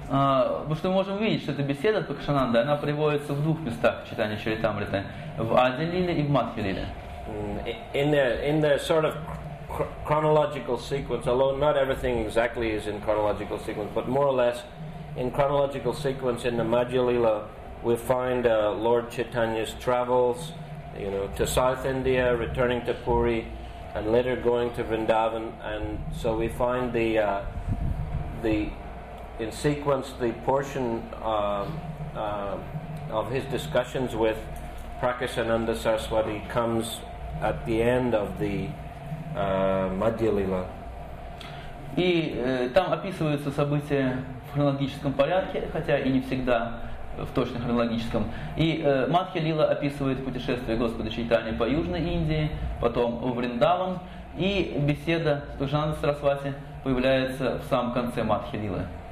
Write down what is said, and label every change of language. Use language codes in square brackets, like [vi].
[ru] Мы можем видеть, что эта беседа Пракашананды, она приводится в двух местах в Чайтанья Чаритамрите, в Адилиле и в Мадхьялиле. [en] In the sort of chronological sequence, although not everything exactly is in chronological sequence, but more or less in chronological sequence in the Madhyalila, we find Lord Chaitanya's travels, you know, to South India, returning to Puri, and later going to Vrindavan, and so we find the portion of his discussions with Prakashananda Saraswati comes at the end of the Madhyalila. [ru] И там описываются события в хронологическом порядке, хотя и не всегда в точно хронологическом. И Мадхья-лила описывает путешествие Господа Чайтаньи по Южной Индии, потом в Вриндаван, и беседа с Пакшананда Сарасвати появляется в самом конце Мадхья-лилы.